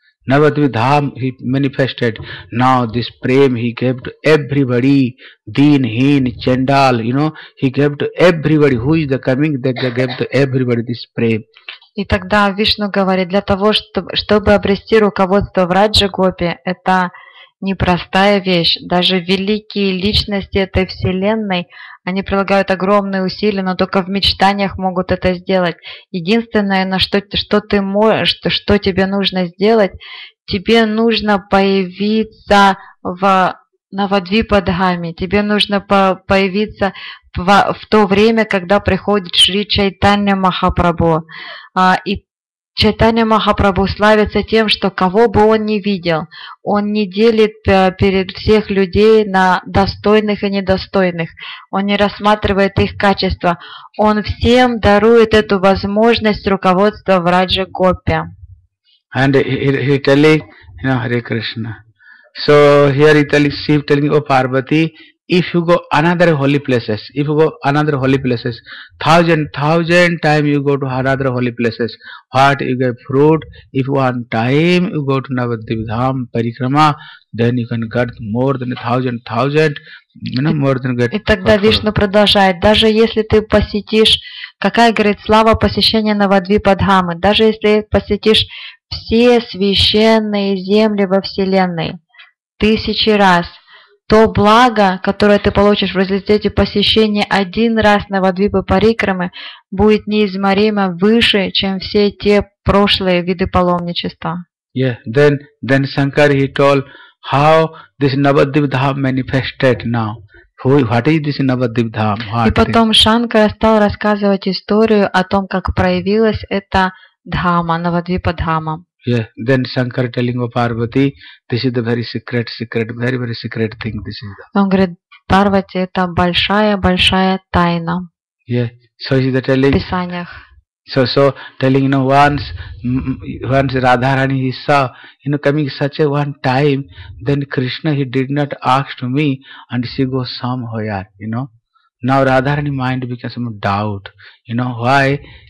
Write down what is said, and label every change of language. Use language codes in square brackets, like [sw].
[en] Navadvip Dham he manifested. Now this prem he gave to everybody, deen, heen, chandal, you know, he gave to everybody. Who is the coming? They gave to everybody this prem. [ru] И тогда Вишну говорит, для того, чтобы обрести руководство в Раджа-гопи, это непростая вещь. Даже великие личности этой вселенной, они прилагают огромные усилия, но только в мечтаниях могут это сделать. Единственное, на что ты можешь, что тебе нужно сделать, тебе нужно появиться в Навадвипа-дхаме, тебе нужно появиться в то время, когда приходит Шри Чайтанья Махапрабху. И Чайтанья Махапрабху славится тем, что кого бы он ни видел, он не делит перед всех людей на достойных и недостойных. Он не рассматривает их качества. Он всем дарует эту возможность руководства в Раджа Гопе. [en] And he telling, you know, Hare Krishna. So here he telling, Shiv telling, oh Parvati, if you go another holy places, if you go another holy places, thousand time you go to another holy places, what you get fruit, if one time you go to Navadvip Dham Parikrama, then you can get more than thousand, you know, more than get. [ru] И тогда Вишну продолжает, даже если ты посетишь, какая, говорит, слава посещения Навадвипа Дхамы, даже если посетишь все священные земли во Вселенной тысячи раз, то благо, которое ты получишь в результате посещения один раз Навадвипа Парикрамы, будет неизмеримо выше, чем все те прошлые виды паломничества. [en] Yeah, then Shankara he told how this Navadvipa Dham manifested now. What is this Navadvipa Dham? [ru] И потом Шанкара стал рассказывать историю о том, как проявилась эта Дхама, Навадвипа Дхама. [en] Yeah, then Shankara telling of Parvati, this is the very secret thing. This is. [ru] Он говорит, Парвати, это большая тайна. [en] Yeah, so he's telling. [ru] В писаниях. [en] So telling, you know, once Radharani he saw, you know, coming such a one time, then Krishna he did not ask to me, and she goes somewhere, you know. Now Radharani mind becomes some doubt, you know, why?